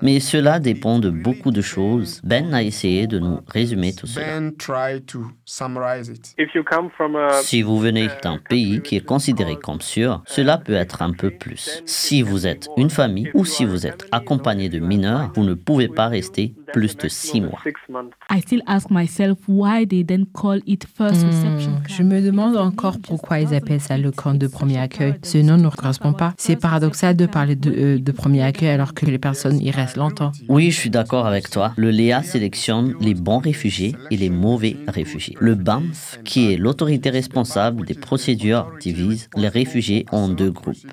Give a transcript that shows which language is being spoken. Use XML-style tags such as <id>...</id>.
<fr>Mais cela dépend de beaucoup de choses. Ben a essayé de nous résumer tout cela. Si vous venez d'un pays qui est considéré comme sûr, cela peut être un peu plus. Si vous êtes une famille ou si vous êtes accompagné de mineurs, vous ne pouvez pas rester plus de 6 mois.</fr> <en>I still ask myself why they then call it first reception camp.</en> <fr>Je me demande encore pourquoi ils appellent ça le camp de premier accueil. Ce nom ne correspond pas. C'est paradoxal de parler de premier accueil alors que les personnes y restent longtemps. Oui, je suis d'accord avec toi. Le LEA sélectionne les bons réfugiés et les mauvais réfugiés. Le BAMF, qui est l'autorité responsable des procédures, divise les réfugiés en 2 groupes.</fr>